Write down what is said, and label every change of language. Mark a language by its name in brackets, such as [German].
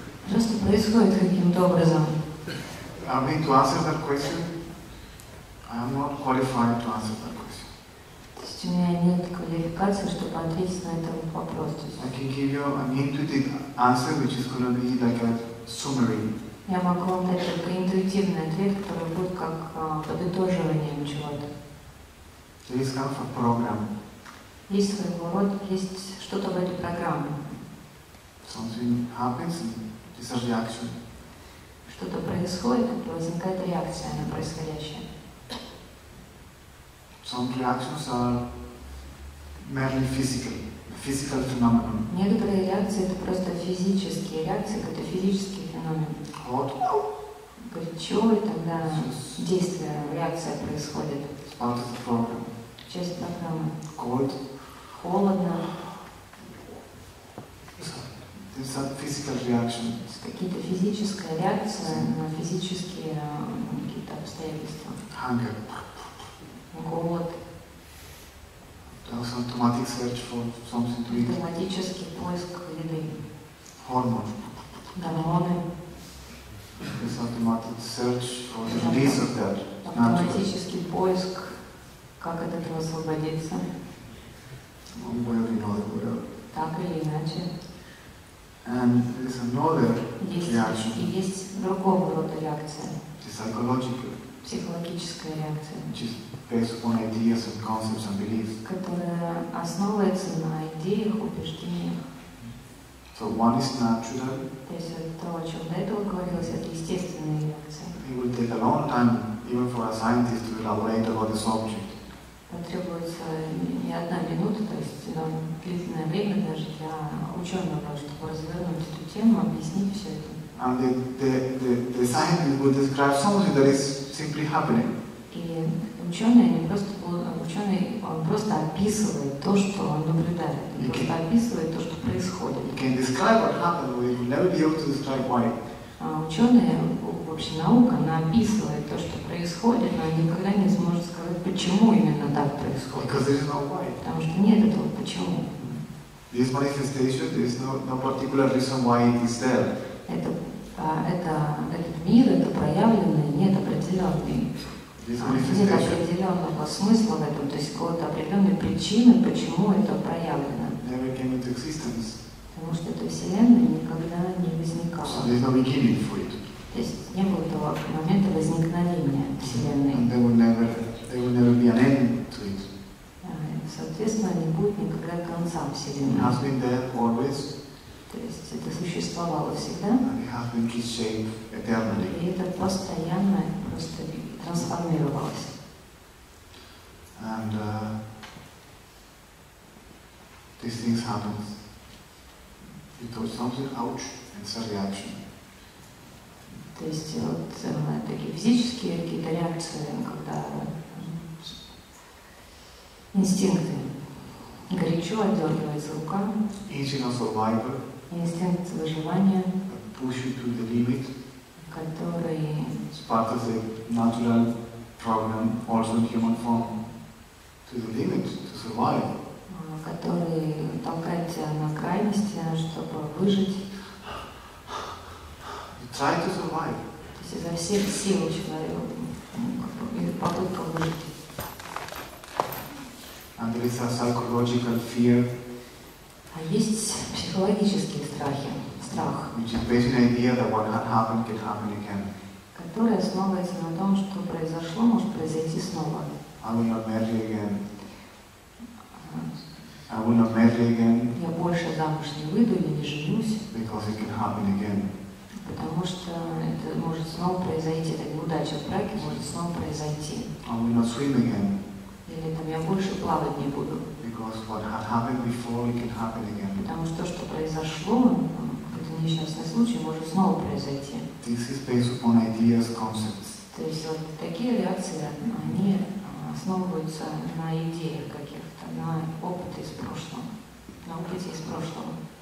[Russian] Просто происходит каким-то образом. [English] I mean, to answer that question, I am not qualified to answer that question. [Russian] То есть у меня нет квалификации, чтобы ответить на этот вопрос. [English] I can give you an intuitive answer, which is going to be like a summary. [Russian] Я могу вам дать только интуитивный ответ, который будет как подытоживанием чего-то. [English] There is kind of a program. [Russian] Есть своего рода, есть что-то в этой программе. [English] Something happens, this is reaction. [Russian] Что-то происходит, и возникает реакция на происходящее. [English] Some reactions are merely physical, physical phenomenon. [Russian] Некоторые реакции это просто физические реакции, это физический феномен. Вот. Горячо, и тогда действие, реакция происходит. [English] It's part of the program. [Russian] Часть программы. [English] Cold. [Russian] Холодно. [English] It's a physical reaction. [Russian] Какие-то физическая реакция на физические какие-то обстоятельства. [English] Hunger. [Russian] Голод. [English] There's an automatic search for something to eat. [Russian] Автоматический поиск еды. [English] Hormone. [Russian] Гормоны. [English] There's an automatic search for the release of that. [Russian] Автоматический поиск, как от этого освободиться. [English] One way or another way. [Russian] Так или иначе. [English] And there's another reaction. [Russian] И есть другого рода реакция. [English] Psychological. [Russian] Психологическая реакция. [English] Which is based upon ideas and concepts and beliefs. [Russian] Которая основывается на идеях, убеждениях. [English] So one is natural. [Russian] То есть то, о чем до этого говорилось, это естественная реакция. [English] It would take a long time, even for a scientist, to elaborate about this object. [Russian] Потребуется не одна минута, то есть длительное время даже для ученого, чтобы развернуть эту тему, объяснить все это. [English] And the scientist would describe something that is simply happening. [Russian] И ученый просто описывает то, что он наблюдает. Описывает то, что происходит. [English] He can describe what happened, but he will never be able to describe why. [Russian] Ученые, вообще наука, она описывает то, что происходит, но никогда не сможет сказать, почему именно так происходит. [English] Because there is no why. [Russian] Потому что нет этого почему. [English] This manifestation, there is no particular reason why it is there. [Russian] Этот мир, это проявленное, нет определенного смысла в этом, то есть какой-то определенной причины, почему это проявлено. [English] Never came into existence. [Russian] Потому что эта Вселенная никогда не возникала. [English] So there's no beginning for it. [Russian] То есть не было того момента возникновения Вселенной. [English] And there will never be an end to it. [Russian] Соответственно, не будет никогда конца Вселенной. [English] It has been there always. [Russian] То есть это существовало всегда. [English] And it has been kept safe eternally. [Russian] И это постоянно просто трансформировалось. [English] And these things happen. You thought something, ouch, and it's a reaction. [Russian] То есть вот такие физические какие-то реакции, когда инстинкты. Горячо отдергивается рука. [English] Instinct of survival. [Russian] Инстинкт выживания. [English] Push you to the limit. [Russian] Который. [English] It's part of the natural problem, also in human form. To the limit, to survive. [Russian] Который толкает тебя на крайности, чтобы выжить. [English] You try to survive. [Russian] То есть изо всех сил человек, попытка выжить. [English] And there is a psychological fear. [Russian] А есть психологические страхи, страх. [English] Which is based on the idea that what had happened can happen again. [Russian] Который основывается на том, что произошло, может произойти снова. [English] I will not marry again. I will not marry again. [Russian] Я больше замуж не выйду или не женюсь. [English] Because it can happen again. [Russian] Потому что это может снова произойти, так удача в браке может снова произойти. [English] I will not swim again. [Russian] Или там я больше плавать не буду. [English] Because what had happened before, it can happen again. [Russian] Потому что то, что произошло, это несчастный случай, может снова произойти. [English] This is based upon ideas, concepts. [Russian] То есть вот такие реакции, они основываются на идеях каких-то, на опыте из прошлого, на опыте из прошлого.